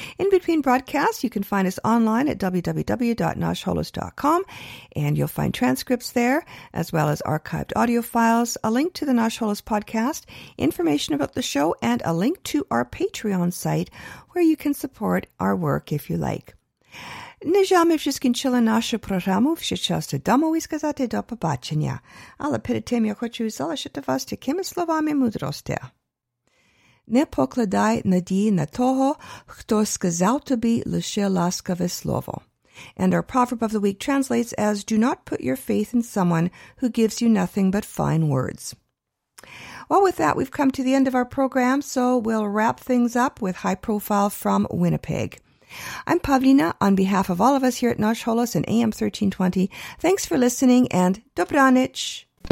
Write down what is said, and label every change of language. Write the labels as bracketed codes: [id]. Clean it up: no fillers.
[en] In between broadcasts, you can find us online at www.nashholos.com and you'll find transcripts there as well as archived audio files, a link to the Nash Holos podcast, information about the show, and a link to our Patreon site where you can support our work if you like. [uk] Не жаль, ми вже скінчили нашу програму, вже часто дамо і сказати до побачення. Але перед тим я хочу залишити вас такими словами мудрості. Не покладай надії на того, хто сказав тобі лише ласкаве слово. [en] And our proverb of the week translates as, do not put your faith in someone who gives you nothing but fine words. Well, with that, we've come to the end of our program, so we'll wrap things up with High Profile from Winnipeg. I'm Pavlina. On behalf of all of us here at Nash Holos and AM 1320, thanks for listening and Dobranich.